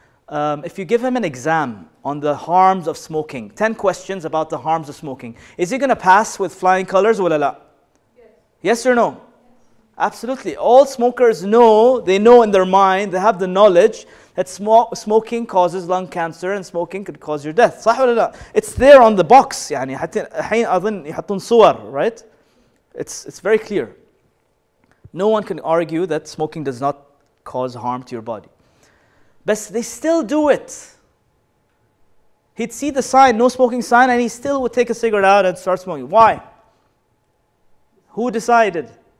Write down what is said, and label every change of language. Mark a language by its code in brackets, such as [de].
[en] If you give him an exam on the harms of smoking, 10 questions about the harms of smoking, is he going to pass with flying colors? Yes. Yes or no? Absolutely. All smokers know, they know in their mind, they have the knowledge that smoking causes lung cancer and smoking could cause your death. صح ولا لا? It's there on the box. [ar] يعني حين أظن يحطون صور, right? [en] It's very clear. No one can argue that smoking does not cause harm to your body. But they still do it. He'd see the sign, no smoking sign, and he still would take a cigarette out and start smoking. Why? Who decided?